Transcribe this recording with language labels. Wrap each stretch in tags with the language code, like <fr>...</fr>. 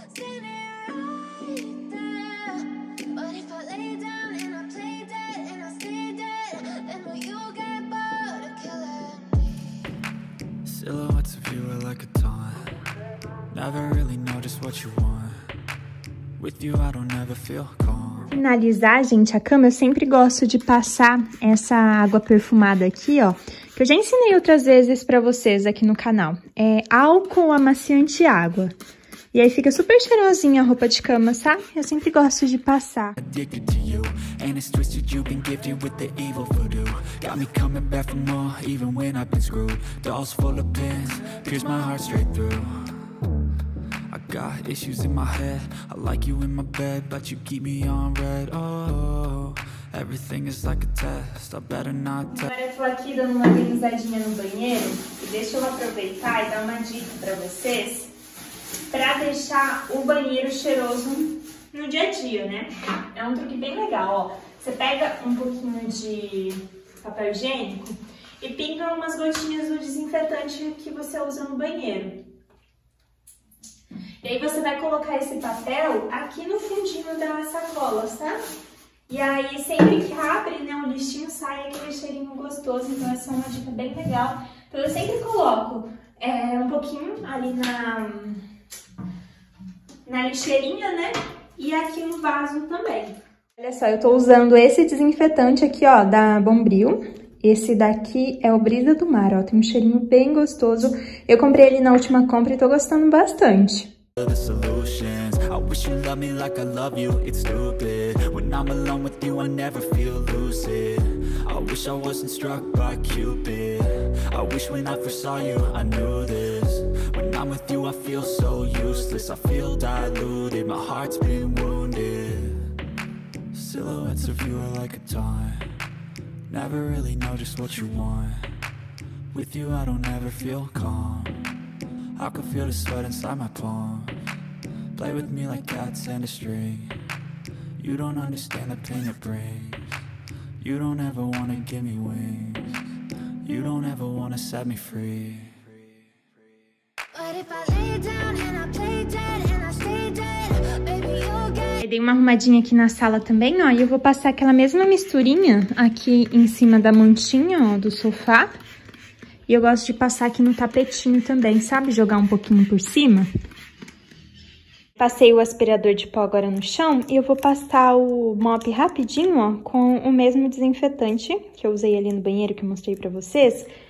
<en>See me right there. But if I lay down and I play dead and I stay dead, then will you get bored of killing me? Silhouettes of you are like a taunt. Never really know just what you want.</en> <pt>Finalizar, gente, a cama, eu sempre gosto de passar essa água perfumada aqui, ó, que eu já ensinei outras vezes pra vocês aqui no canal. É álcool amaciante água. E aí fica super cheirosinha a roupa de cama, sabe? Eu sempre gosto de passar.</pt> <en>Addicted to you, and it's twisted, you've been gifted with the evil voodoo. Got me coming back for more, even when I've been screwed. Dolls full of pins, pierce my heart straight through. Got issues in my head. I like you in my bed, but you keep me on red. Oh, everything is like a test. I better not test.</en> <pt>Agora eu tô aqui dando uma organizadinha no banheiro. E deixa eu aproveitar e dar uma dica pra vocês pra deixar o banheiro cheiroso no dia a dia, né? É um truque bem legal, ó. Você pega um pouquinho de papel higiênico e pinga umas gotinhas do desinfetante que você usa no banheiro. E aí você vai colocar esse papel aqui no fundinho das sacolas, tá? E aí sempre que abre, né, o lixinho sai aquele cheirinho gostoso, então essa é uma dica bem legal. Então eu sempre coloco um pouquinho ali na lixeirinha, né, e aqui no vaso também. Olha só, eu tô usando esse desinfetante aqui, ó, da Bombril. Esse daqui é o Brisa do Mar, ó, tem um cheirinho bem gostoso. Eu comprei ele na última compra e tô gostando bastante.</pt> <en>The solutions. I wish you loved me like I love you. It's stupid. When I'm alone with you, I never feel lucid. I wish I wasn't struck by Cupid. I wish when I first saw you, I knew this. When I'm with you, I feel so useless. I feel diluted. My heart's been wounded. Silhouettes of you are like a taunt. Never really know just what you want. With you, I don't ever feel calm. I can feel the sweat inside my palm. Play with me like cats and a string. You don't understand the pain it brings. You don't ever wanna give me wings. You don't ever wanna set me free. But if I lay down and I play dead and I stay dead, baby, you'll get.</en> <pt>Eu dei uma arrumadinha aqui na sala também, ó. E eu vou passar aquela mesma misturinha aqui em cima da mantinha, ó, do sofá. E eu gosto de passar aqui no tapetinho também, sabe? Jogar um pouquinho por cima. Passei o aspirador de pó agora no chão e eu vou passar o mop rapidinho, ó, com o mesmo desinfetante que eu usei ali no banheiro, que eu mostrei pra vocês.</pt>